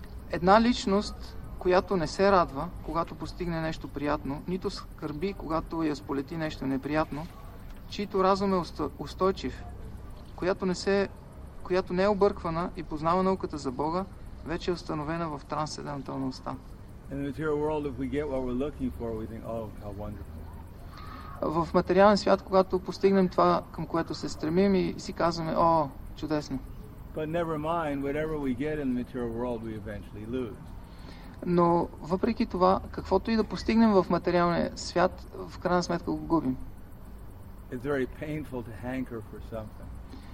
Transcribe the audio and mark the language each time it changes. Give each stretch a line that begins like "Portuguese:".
Bulgarian: Една личност, която не се радва, когато постигне нещо приятно, нито скърби, когато я сполети нещо неприятно, чийто разум е устойчив, която не е обърквана и познава науката за Бога, вече е установена в трансценденталността.
English: In the material world, if we get what we're looking for, we think, oh, how wonderful.
Bulgarian: В материален свят, когато постигнем това, към което се стремим, и си казваме, о, чудесно.
English: But never mind, whatever we get in the material world, we eventually lose.
Bulgarian: Но въпреки това, каквото и да постигнем в материалния свят, в крайна сметка го губим.
English: It's very painful to hanker for something.